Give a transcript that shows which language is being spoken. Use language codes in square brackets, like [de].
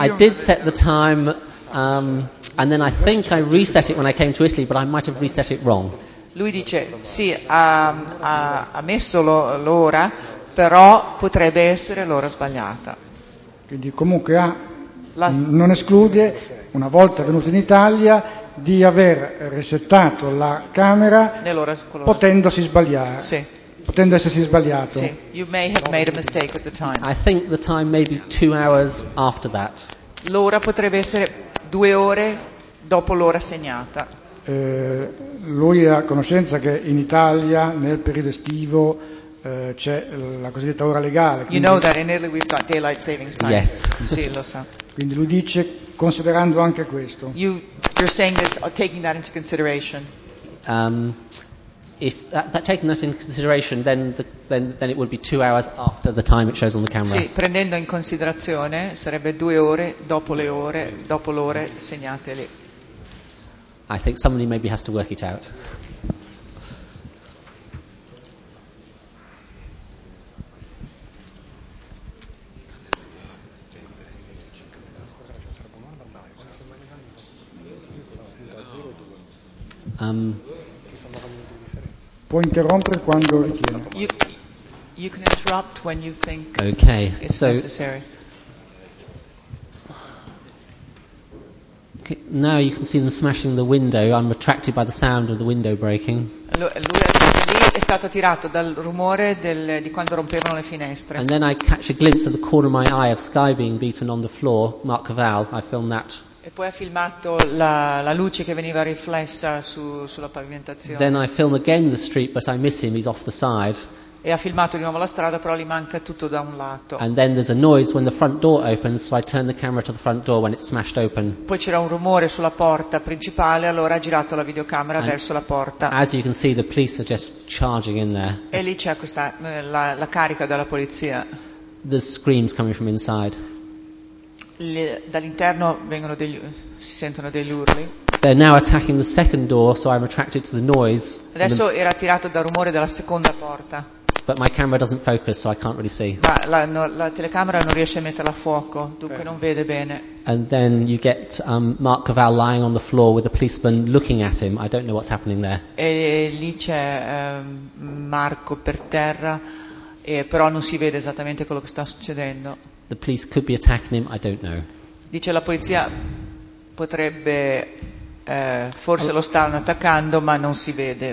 [en] I did set the time, and then I think I reset it when I came to Italy, but I might have reset it wrong. [it] Lui dice, sì, ha messo l'ora, però potrebbe essere l'ora sbagliata. Quindi comunque non esclude... Una volta venuto in Italia, di aver resettato la camera potendosi sbagliare. Sì. Potendo essersi sbagliato. Sì. [en] You may have made a mistake with the time. I think the time may be 2 hours after that. [it] L'ora potrebbe essere 2 ore dopo l'ora segnata. Lui ha conoscenza che in Italia, nel periodo estivo, c'è la cosiddetta ora legale. [en] You know that in Italy we've got daylight savings time. Yes. [it] Sì, lo so. Quindi lui dice, considerando anche questo. [en] You're saying this, taking that into consideration. If that taking that into consideration, then it would be 2 hours after the time it shows on the camera. [it] Sì, prendendo in considerazione, sarebbe 2 ore dopo l'ora segnate lì. [en] I think somebody maybe has to work it out. [it] Può interrompere quando richiede. [en] You can interrupt when you think okay, it's so necessary. Okay, now you can see them smashing the window. I'm attracted by the sound of the window breaking. [it] Lì è stato attirato dal rumore di quando rompevano le finestre. [en] And then I catch a glimpse of the corner of my eye of Sky being beaten on the floor. Mark Cavall, I filmed that. [it] E poi ha filmato la luce che veniva riflessa sulla pavimentazione. [en] Then I film again the street, but I miss him, he's off the side. [it] e ha filmato di nuovo la strada, però gli manca tutto da un lato. [en] And then there's a noise when the front door opens, so I turn the camera to the front door when it's smashed open. [it] Poi c'era un rumore sulla porta principale, allora ha girato la videocamera [en] and [it] verso la porta. [en] As you can see, the police are just charging in there. [it] E lì c'è questa la carica della polizia. [en] The screams coming from inside. [it] Dall'interno vengono si sentono degli urli. [en] They're now attacking the second door, so I'm attracted to the noise. [it] Adesso era attirato dal rumore della seconda porta. [en] But my camera doesn't focus, so I can't really see. [it] Ma la telecamera non riesce a metterla a fuoco, dunque non vede bene. [en] And then you get Mark Cavall lying on the floor with a policeman looking at him. I don't know what's happening there. [it] E lì c'è Marco per terra, però non si vede esattamente quello che sta succedendo. [en] The police could be attacking him, I don't know. [it] Dice la polizia potrebbe forse lo stanno attaccando, ma non si vede.